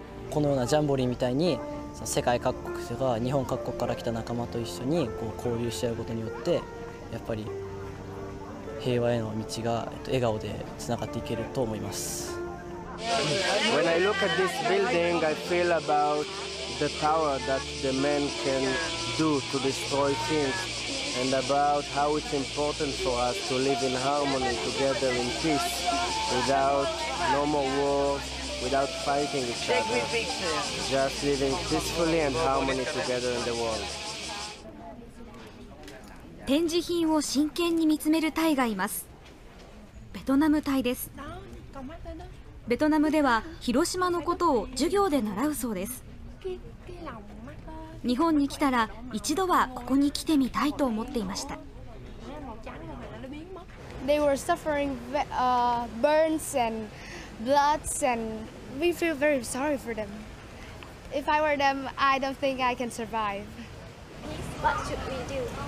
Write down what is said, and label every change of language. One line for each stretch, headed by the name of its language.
Japanese: このようなジャンボリーみたいに、世界各国が日本各国から来た仲間と一緒にこう交流し合うことによって、やっぱり平和への道が笑顔でつながっていけると思います。
English: When I look at this building, I feel about the power that the men can do to destroy things, and about how it's important for us to live in harmony together in peace, without no more war, without fighting each other, just living peacefully and harmony together in the world.
Japanese: 展示品を真剣に見つめるタイがいます。ベトナム隊です。ベトナムでは広島のことを授業で習うそうです。日本に来たら一度はここに来てみたいと思っていました。
English: They were suffering burns and bloods and we feel very sorry for them. If I were them, I don't think I can survive. What should we do?